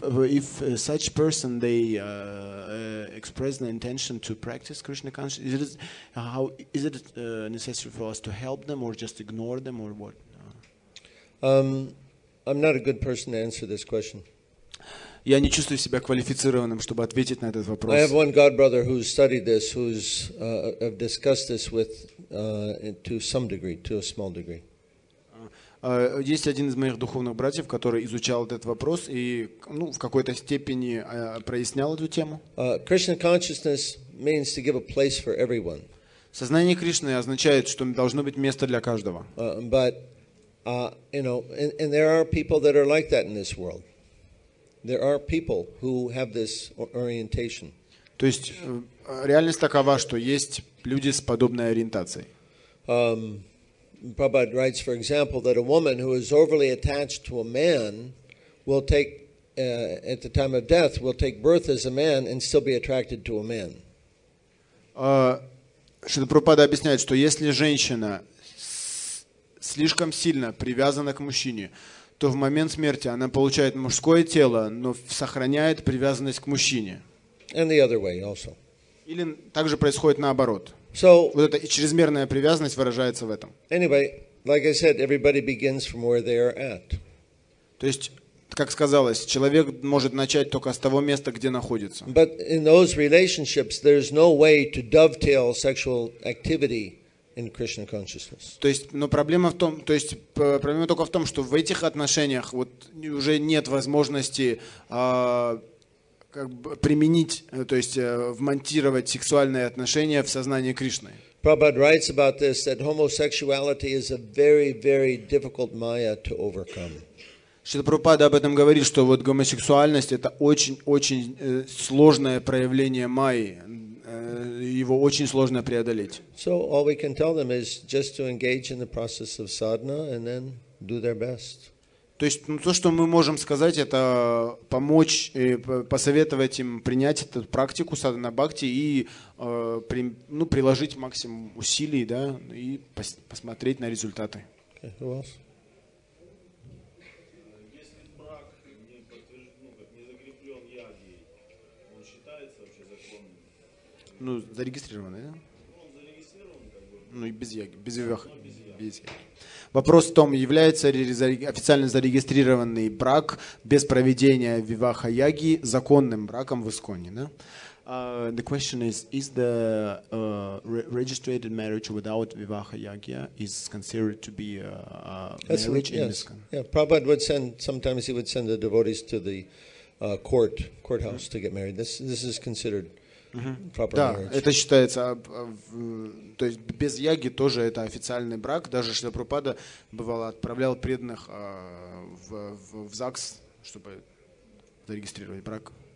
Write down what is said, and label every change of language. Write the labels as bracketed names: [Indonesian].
[English] If such person they express the intention to practice Krishna consciousness, is it necessary for us to help them or just ignore them or what? I'm not a good person to answer this question. [Russian] Я не чувствую себя квалифицированным, чтобы ответить на этот вопрос. [English] I have one god brother who's studied this, who's have discussed this with to some degree, to a small degree. [Russian] Есть один из моих духовных братьев, который изучал этот вопрос и, ну, в какой-то степени прояснял эту тему. [English] Krishna consciousness means to give a place for everyone. [Russian] Сознание Кришны означает, что должно быть место для каждого. [English] But you know, and there are people that are like that in this world. There are people who have this orientation. [Russian] То есть реальность такова, что есть люди с подобной ориентацией. [English] Prabhupada writes, for example, that a woman who is overly attached to a man will take, at the time of death, will take birth as a man and still be attracted to a man. [Russian] Шрила Прабхупада объясняет, что если женщина слишком сильно привязана к мужчине, то в момент смерти она получает мужское тело, но сохраняет привязанность к мужчине. [English] And the other way also. [Russian] Или также происходит наоборот. [English] So, [Russian] вот эта чрезмерная привязанность выражается в этом. [English] Anyway, like I said, everybody begins from where they are at. [Russian] То есть, как сказалось, человек может начать только с того места, где находится. [English] But in those relationships, there's no way to dovetail sexual activity in Krishna consciousness. [Russian] То есть, но проблема в том, то есть проблема только в том, что в этих отношениях вот уже нет возможности как бы применить, то есть вмонтировать сексуальные отношения в сознание Кришны. [English] Prabhupada writes about this, that homosexuality is a very, very difficult maya to overcome. [Russian] Шрила Прабхупада об этом говорит, что вот гомосексуальность это очень-очень сложное проявление майи, его очень сложно преодолеть. [English] So all we can tell them is just to engage in the process of sadhana and then do their best. [Russian] То есть, ну, то, что мы можем сказать, это помочь, и посоветовать им принять эту практику садхана-бхакти и приложить максимум усилий, да, и посмотреть на результаты. [English] Okay, who else? [Russian] Ну, зарегистрированный, да? Ну, без яги. Вопрос в том, является ли официально зарегистрированный брак без проведения виваха-яги законным браком в Исконе, да? [English] The question is the registered marriage without viваха-яги is considered to be marriage in Iskon? Yeah, Prabhupada would send, sometimes he would send the devotees to the courthouse mm-hmm. to get married. This is considered [Russian] Да, это считается, то есть без яги тоже это официальный брак, даже Шрила Прабхупада бывало отправлял преданных в ЗАГС, чтобы зарегистрировать брак.